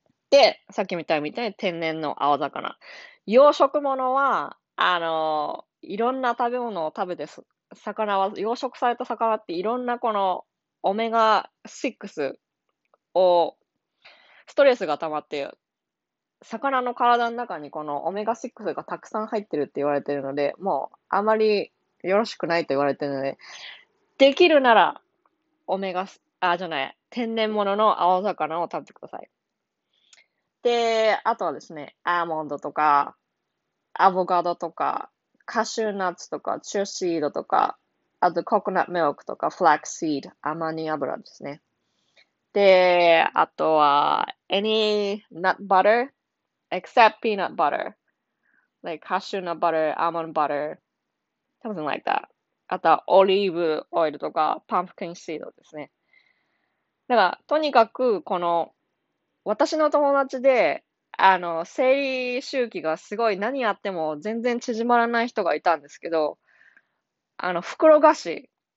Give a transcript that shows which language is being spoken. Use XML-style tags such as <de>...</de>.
<ja>で、さっきみたいみたいに天然の青魚。養殖物は、いろんな食べ物を食べてす、魚は、養殖された魚っていろんなこの、オメガ6を、ストレスが溜まって、魚の体の中にこのオメガ6がたくさん入ってるって言われてるので、もうあまりよろしくないと言われてるので、できるなら、オメガ、あ、じゃない、天然物の青魚を食べてください。で、あとはですね、アーモンドとか、アボカドとか、カシューナッツとか、チューシードとか、あと、ココナッツミルクとか、フラックスシード、アマニ油ですね。で、あとは、</ja> <en>any nut butter? except peanut butter. Like, カシューナッツバター、アーモンドバター、something like that.</en> <ja>あとは、オリーブオイルとか、パンプキンシードですね。だから、とにかく、この、私の友達で、生理周期がすごい何やっても全然縮まらない人がいたんですけど、袋菓子。</ja>